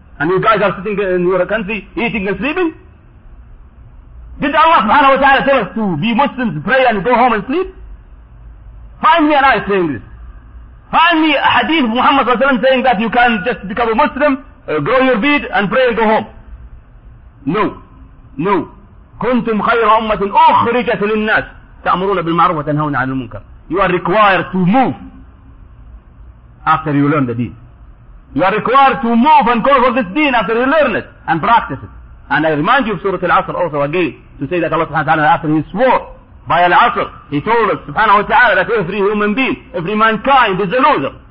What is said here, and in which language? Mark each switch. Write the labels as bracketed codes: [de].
[en] And you guys are sitting in your country, eating and sleeping. Did Allah subhanahu wa ta'ala tell us to be Muslims, pray and go home and sleep? Find me an ayah saying this. Find me a hadith of Muhammad sallallahu alayhi wa sallam saying that you can just become a Muslim, grow your beard and pray and go home. No. No. [ar] كنتم خير أمة أخرجت للناس تأمرون بالمعروف وتنهون عن المنكر. [en] You are required to move after you learn the deen. You are required to move and call for this deen after you learn it and practice it. And I remind you of Surah Al-Asr also again to say that Allah subhanahu wa ta'ala, after he swore by Al-Asr, he told us subhanahu wa ta'ala that every human being, every mankind is a loser.